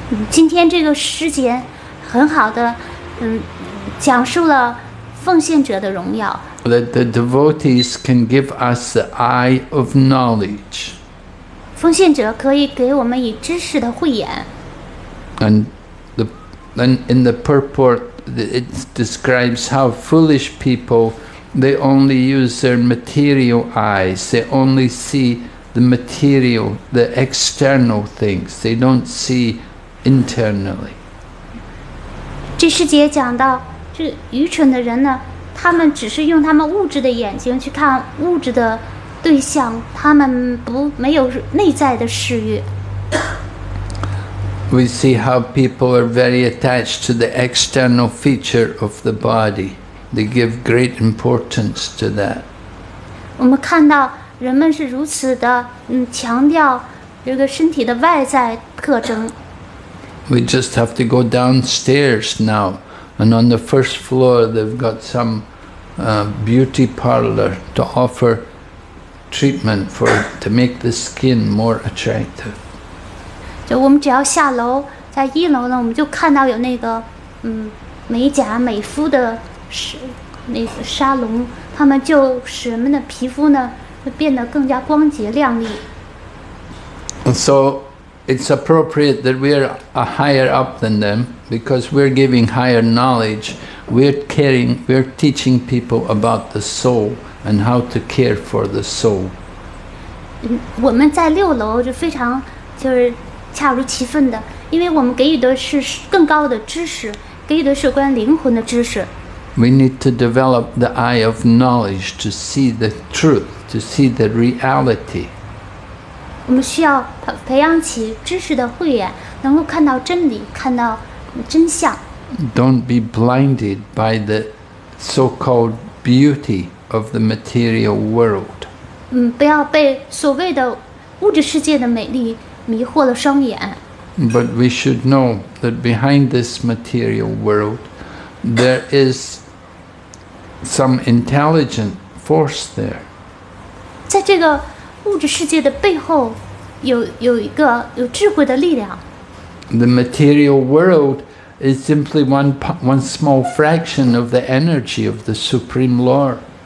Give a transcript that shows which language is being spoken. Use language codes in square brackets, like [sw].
[zh] 今天这个时节很好的讲述了奉献者的荣耀。 [en] That the devotees can give us the eye of knowledge. [zh] 奉献者可以给我们以知识的慧眼。 [en] And then in the purport, it describes how foolish people, they only use their material eyes. They only see the material, the external things. They don't see... internally. [zh] 这世界讲到这愚蠢的人呢，他们只是用他们物质的眼睛去看物质的对象，他们不没有内在的视域。 [en] We see how people are very attached to the external feature of the body. They give great importance to that. [zh] 我们看到人们是如此的强调这个身体的外在特征。 [en] We just have to go downstairs now, and on the first floor they've got some beauty parlor to offer treatment for to make the skin more attractive. [zh] 就我们只要下楼，在一楼呢，我们就看到有那个美甲美肤的那个沙龙，他们就使人们的皮肤呢变得更加光洁亮丽。 [en] And so it's appropriate that we are a higher up than them because we're giving higher knowledge. We're caring, we're teaching people about the soul and how to care for the soul. [zh] 我们在六楼就非常就是恰如其分的，因为我们给予的是更高的知识，给予的是关于灵魂的知识。 [en] We need to develop the eye of knowledge to see the truth, to see the reality. [zh] 我们需要培养起知识的慧眼，能够看到真理，看到真相。 [en] Don't be blinded by the so-called beauty of the material world. [zh] 不要被所谓的物质世界的美丽迷惑了双眼。 [en] But we should know that behind this material world, there is some intelligent force there. [zh] 在这个物质世界的背后，有一个有智慧的力量。 [en] The material world is simply one small fraction of the energy of the Supreme Lord.